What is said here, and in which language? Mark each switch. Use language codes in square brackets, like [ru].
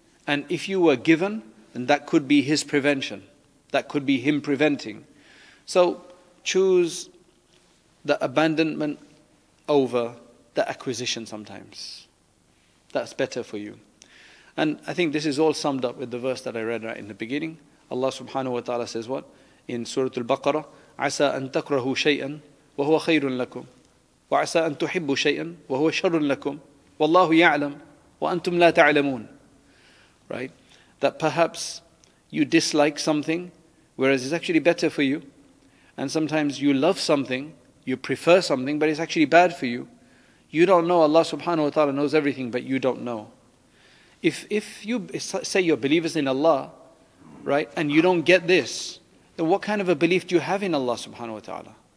[en] And if you were given, then that could be His prevention. That could be Him preventing. So choose the abandonment over the acquisition sometimes. That's better for you. And I think this is all summed up with the verse that I read right in the beginning. Allah subhanahu wa ta'ala says what? In Surah Al-Baqarah, [ar] عَسَىٰ أَن تَكْرَهُ شَيْئًا وَهُوَ خَيْرٌ لَكُمْ وَعَسَىٰ أَن تُحِبُّ شَيْئًا وَهُوَ شَرٌ لَكُمْ وَاللَّهُ يَعْلَمْ وَأَنْتُمْ لَا تَعْلَمُونَ. [en] Right? That perhaps you dislike something, whereas it's actually better for you. And sometimes you love something, you prefer something, but it's actually bad for you. You don't know. Allah subhanahu wa ta'ala knows everything, but you don't know. If you say you're believers in Allah, right, and you don't get this, then what kind of a belief do you have in Allah subhanahu wa ta'ala?